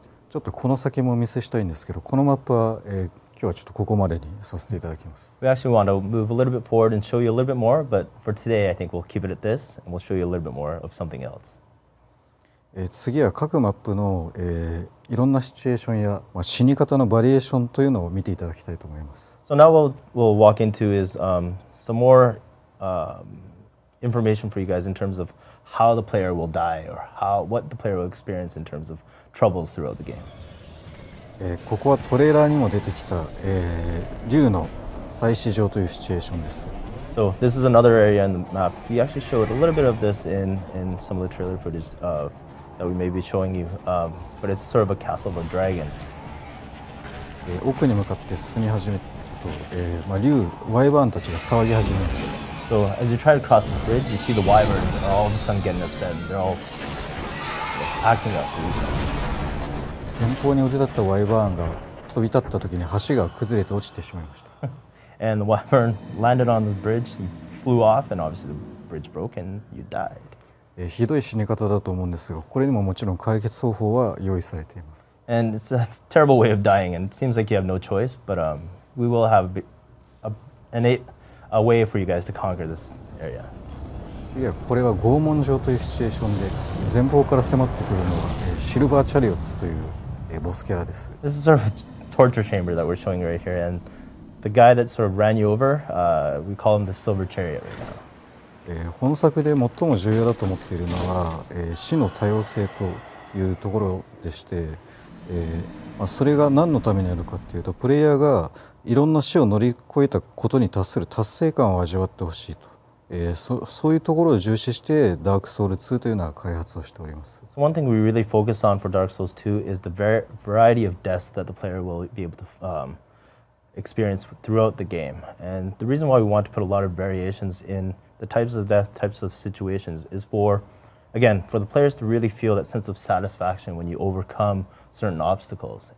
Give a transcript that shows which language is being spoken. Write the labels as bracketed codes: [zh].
[ja] ちょっとこの先も見せしたいんですけど、このマップは、今日はちょっとここまでにさせていただきます。 [en] We actually want to move a little bit forward and show you a little bit more, but for today, I think we'll keep it at this, and we'll show you a little bit more of something else. [ja] 次は各マップの、いろんなシチュエーションや、まあ、死に方のバリエーションというのを見ていただきたいと思います。 [en] So now we'll walk into is some more... information for you guys in terms of how the player will die or what the player will experience in terms of troubles throughout the game. [ja] ここはトレーラーにも出てきた、竜の祭祀場というシチュエーションです。 [en] So this is another area in the map. We actually showed a little bit of this in some of the trailer footage that we may be showing you, but it's sort of a castle of a dragon. [ja] 奥に向かって進み始めると、まあ、竜、ワイバーンたちが騒ぎ始めます。 [en] So as you try to cross the bridge, you see the wyverns are all of a sudden getting upset and they're all acting up to each other. [ja] 前方に落ちたワイバーンが飛び立った時に橋が崩れて落ちてしまいました。 [en] And the wyvern landed on the bridge, he flew off and obviously the bridge broke and you died. [ja] ひどい死に方だと思うんですが、これにももちろん解決方法は用意されています。 [en] And it's a terrible way of dying and it seems like you have no choice, but we will have a way for you guys to conquer this area. [ja] 次はこれは拷問場というシチュエーションで、前方から迫ってくるのはシルバーチャリオッツというボスキャラです。 [en] This is sort of a torture chamber that we're showing right here, and the guy that sort of ran you over, we call him the Silver Chariot right now. [ja] 本作で最も重要だと思っているのは死の多様性というところでして、まあ、それが何のためにあるかというと、プレイヤーがいろんな死を乗り越えたことに達する達成感を味わってほしいと、そういうところを重視してダークソウル2というような開発をしております。 [en] So one thing we really focus on for Dark Souls 2 is the variety of deaths that the player will be able to experience throughout the game. And the reason why we want to put a lot of variations in the types of death, types of situations is for, again, for the players to really feel that sense of satisfaction when you overcome certain obstacles.